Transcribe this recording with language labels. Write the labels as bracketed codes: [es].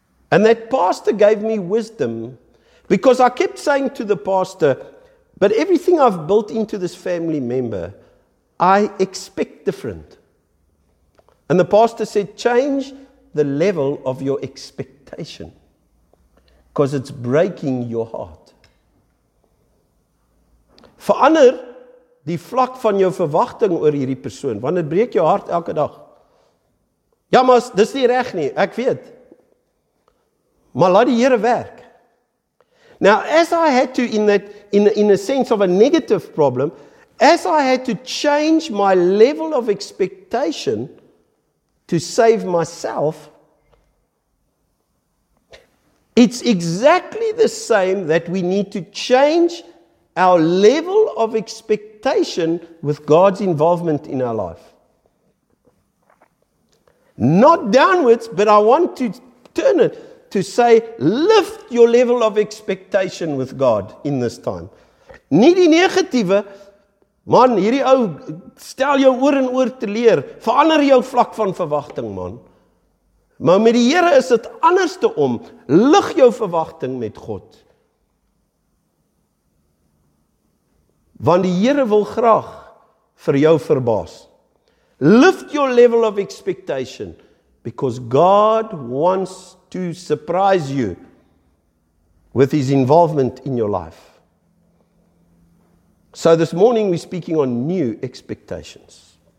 [en] And that pastor gave me wisdom, because I kept saying to the pastor, but everything I've built into this family member, I expect different. And the pastor said, change the level of your expectation, because it's breaking your heart. [af] Verander die vlak van jou verwagting oor hierdie persoon, want dit breek jou hart elke dag. Ja, maar dis nie reg nie, ek weet. Maar laat die Here werk. [en] Now, as I had to, in a sense of a negative problem, as I had to change my level of expectation to save myself, it's exactly the same that we need to change our level of expectation with God's involvement in our life. Not downwards, but I want to turn it to say, lift your level of expectation with God in this time. [af] Nie die negatiewe, man, hierdie ou, stel jou oor en oor te leer, verander jou vlak van verwagting, man. Maar met die Here is dit anders te om, lig jou verwagting met God. Want die Here wil graag vir jou verbaas. [en] Lift your level of expectation, because God wants to surprise you with His involvement in your life. So this morning we're speaking on new expectations.